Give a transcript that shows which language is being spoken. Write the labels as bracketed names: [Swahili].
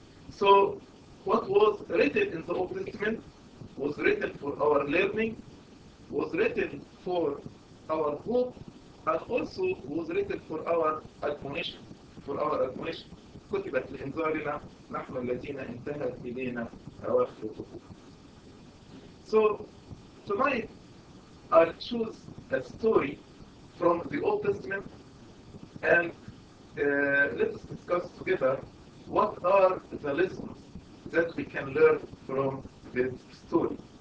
[English] So what was written in the Old Testament was written for our learning, was written for our hope, and also was written for our admonition. For our admonition. [Arabic] كتبت لإنذارنا نحن الذين انتهت إلينا أواخر الظهور. [English] So tonight I'll choose a story from the Old Testament and let us discuss together what are the lessons that we can learn from this story.